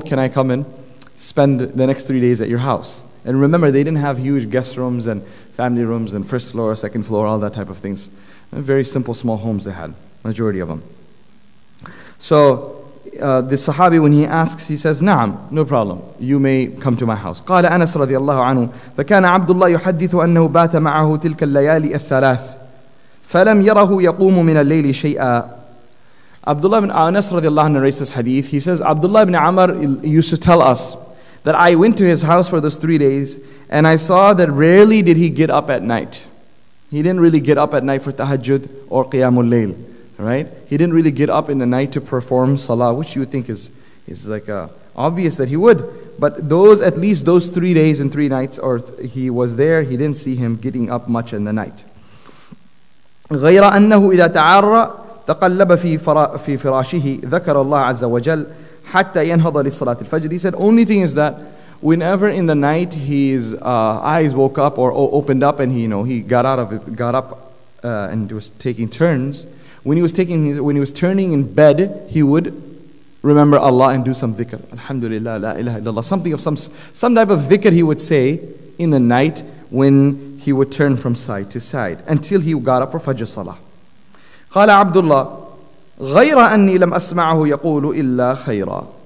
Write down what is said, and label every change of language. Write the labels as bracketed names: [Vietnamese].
[English] Can I come and spend the next 3 days at your house? And remember, they didn't have huge guest rooms and family rooms and first floor, second floor, all that type of things. Very simple, small homes they had, majority of them. So the Sahabi, when he asks, he says, "Na'am, no problem. You may come to my house." [Arabic] قال أنس رضي الله عنه فكان عبد الله يحدث أنه بات معه تلك الليالي الثلاث فلم يره يقوم من الليل شيئا. [English] Abdullah ibn Anas radiallahu anhu narrates this hadith. He says, Abdullah ibn Amr used to tell us that I went to his house for those 3 days and I saw that rarely did he get up at night. He didn't really get up at night for tahajjud or qiyamul layl. Right? He didn't really get up in the night to perform salah, which you would think is obvious that he would. But at least those 3 days and three nights or he was there, he didn't see him getting up much in the night. [Arabic] غير أنه إذا تعرى تقلب في فراشه ذكر الله عز وجل حتى ينهض لصلاة الفجر. [English] He said, only thing is that whenever in the night his eyes woke up or opened up and he got up and was taking turns, when he was turning in bed, he would remember Allah and do some dhikr. Alhamdulillah, la ilaha illallah. Some type of dhikr he would say in the night when he would turn from side to side until he got up for Fajr Salah. [Arabic] قال عبد الله غير أني لم أسمعه يقول إلا خيرا.